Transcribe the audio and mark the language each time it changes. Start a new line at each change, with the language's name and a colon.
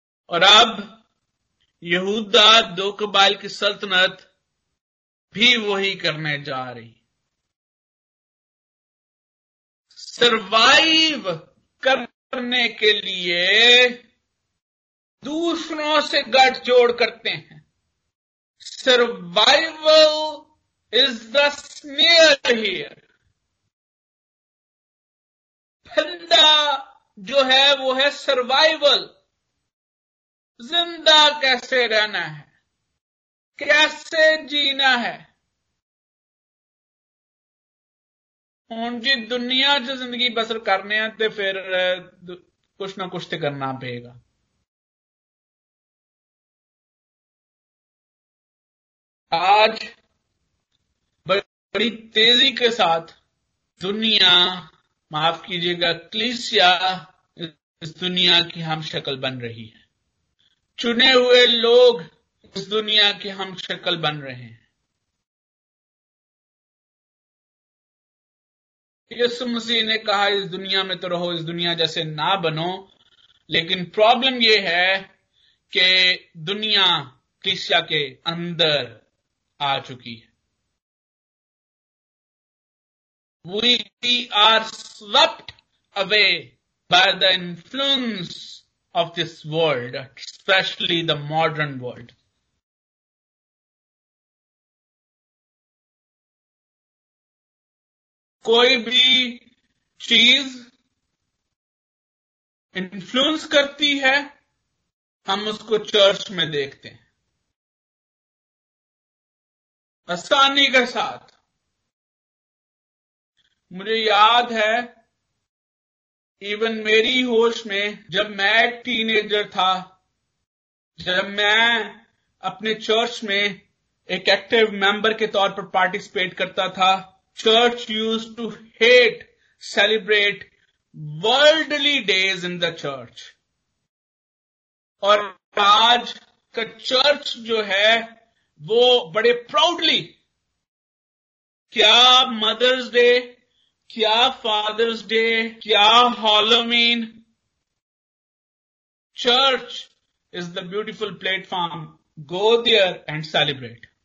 Urdu: اور اب یہودا 2 قبائل کی سلطنت بھی وہی کرنے جا رہی. سروائیو کرنے کے لیے دوسروں سے گٹھ جوڑ کرتے ہیں.
English: Survival is the senior here.
Urdu: پھندا جو ہے وہ ہے سروائیول. زندہ کیسے رہنا ہے, کیسے جینا ہے. ہوں جی دنیا چ زندگی بسر کرنے ہیں تو پھر کچھ نہ کچھ تو کرنا پے گا. آج بڑی تیزی کے ساتھ دنیا, معاف کیجیے گا, کلیسیا اس دنیا کی ہم شکل بن رہی ہے. چنے ہوئے لوگ اس دنیا کی ہم شکل بن رہے ہیں. یسوع مسیح نے کہا اس دنیا میں تو رہو, اس دنیا جیسے نہ بنو. لیکن پرابلم یہ ہے کہ دنیا کلیسیا کے اندر آ چکی ہے.
English: We are swept away by the influence of this world, especially the modern world.
Urdu: کوئی بھی چیز انفلوئنس کرتی ہے ہم اس کو چرچ میں دیکھتے ہیں آسانی کے ساتھ. مجھے یاد ہے ایون میری ہوش میں جب میں ایک ٹین ایجر تھا, جب میں اپنے چرچ میں ایک ایکٹیو ممبر کے طور پر پارٹیسپیٹ کرتا تھا.
English: Church used to hate, celebrate worldly days in the church.
Urdu: اور آج کا چرچ جو ہے وہ بڑے پراؤڈلی کیا مدرس ڈے, کیا فادرس ڈے, کیا Halloween.
English: Church is the beautiful platform, go there and celebrate.